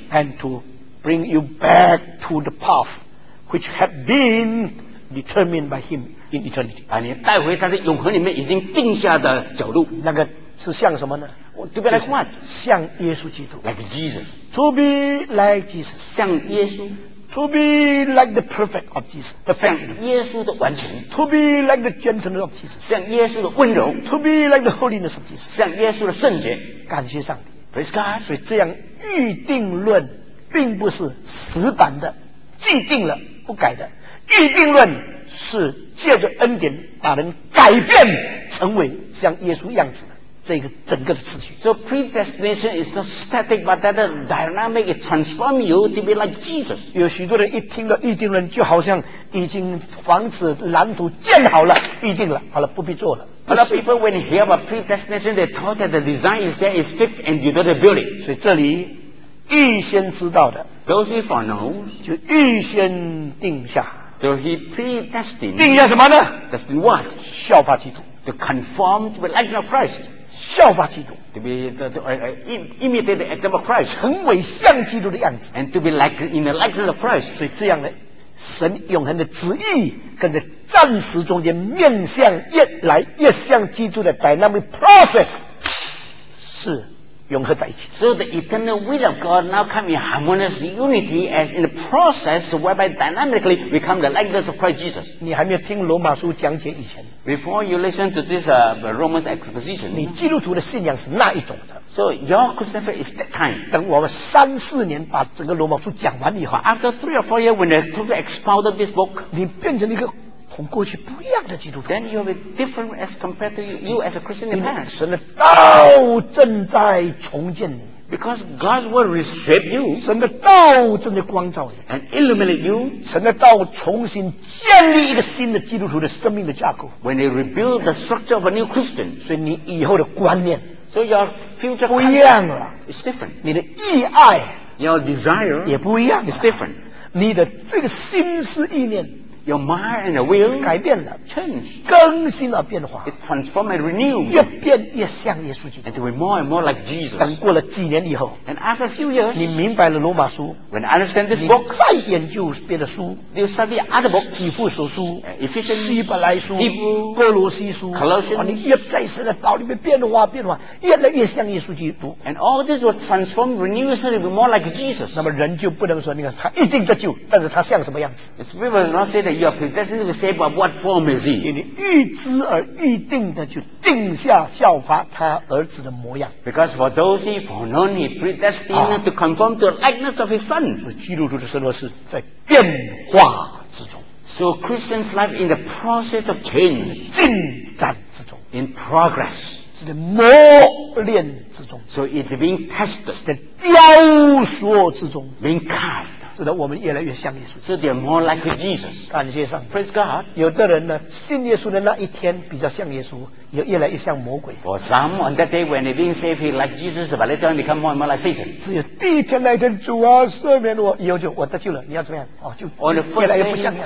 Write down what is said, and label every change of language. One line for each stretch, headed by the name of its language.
English: ，and to bring you back to the path which had been determined by him in eternity.
Chinese: 把你带回他的永恒里面已经定下的角度。那个是像什么呢？
English: To be like what?
Chinese: 像耶稣基督。
English: Like Jesus. To be like Jesus.
Chinese: 像耶稣。
English: To be like the perfect of Jesus, the perfection. To be like the gentleness of Jesus,
Chinese: 像耶稣的温柔。
English: To be like the holiness of Jesus,
Chinese: 像耶稣的圣洁。感谢上帝。
English: Praise God.
Chinese: 所以这样预定论并不是死板的，既定了不改的。预定论是借着恩典把人改变成为像耶稣样子的。这个整个的次序。
English: So predestination is not static, but that dynamic it transform you to be like Jesus.
Chinese: 有许多人一听到预定论，就好像已经房子蓝图建好了，预定了，好了，不必做了。
English: A lot of people when they hear about predestination, they thought that the design is there, is fixed, and you don't have to build it.
Chinese: 所以这里预先知道的
English: ，those who know
Chinese: 就预先定下。
English: So he predestined.
Chinese: 定下什么呢
English: ？Destiny what?
Chinese: 效法基督。
English: To conform to the likeness of Christ.
Chinese: 效法基督。
English: To be imitate the example of Christ.
Chinese: 成为像基督的样子。
English: And to be like in the likeness of Christ.
Chinese: 所以这样呢，神永恒的旨意跟着暂时中间面向越来越像基督的 dynamic process 是融合在一起。
English: So the eternal will of God now come in harmonious unity as in the process whereby dynamically we come the likeness of Christ Jesus.
Chinese: 你还没有听罗马书讲解以前。
English: Before you listen to this Romans exposition,
Chinese: 你基督徒的信仰是那一种的。
English: So your Christian faith is that kind.
Chinese: 等我们三四年把整个罗马书讲完以后
English: ，After three or four years when they totally expounded this book,
Chinese: 你变成一个同过去不一样的基督徒。
English: Then you are different as compared to you as a Christian in the past.
Chinese: 神的道正在重建你。
English: Because God will reshape you.
Chinese: 神的道正在光照你。
English: And illuminate you.
Chinese: 神的道重新建立一个新的基督徒的生命的架构。
English: When they rebuild the structure of a new Christian.
Chinese: 所以你以后的观念。
English: So your future
Chinese: 不一样了。
English: It's different.
Chinese: 你的意爱。
English: Your desire.
Chinese: 也不一样。
English: It's different.
Chinese: 你的这个心思意念。
English: Your mind and your will
Chinese: 改变了
English: change
Chinese: 更新了变化
English: it transform and renew
Chinese: 越变越像耶稣基督
English: and we more and more like Jesus
Chinese: 等过了几年以后
English: and after a few years
Chinese: 你明白了罗马书
English: when I understand this book
Chinese: 你再研究别的书
English: you study other books
Chinese: 以弗所书
English: Ephesians
Chinese: 希伯来书
English: Hebrews
Chinese: 哥罗西书
English: Colossians
Chinese: 你越在神的道里面变化变化越来越像耶稣基督
English: and all this will transform renew so it will be more like Jesus
Chinese: 那么人就不能说你看他一定得救但是他像什么样子
English: it's people not say thatYou are predestined to say, but what form is he?
Chinese: 你预知而预定的就定下效法他儿子的模样。
English: Because for those he foreknown, he predestined to conform to the likeness of his son.
Chinese: 所以基督徒的生活是在变化之中。
English: So Christian's life in the process of change.
Chinese: 进展之中。
English: In progress.
Chinese: 是在磨练之中。
English: So it's being tested.
Chinese: 是在雕塑之中。
English: Being carved.
Chinese: 是的，我们越来越像耶稣。
English: So they're more like Jesus.
Chinese: 感谢上帝。
English: Praise God.
Chinese: 有的人呢，信耶稣的那一天比较像耶稣，也越来越像魔鬼。
English: For some, on that day when they being saved, he like Jesus, but later on become more and more like Satan.
Chinese: 只有第一天那一天，主啊，赦免我，以后就我得救了。你要怎么样？哦，就越来越不像。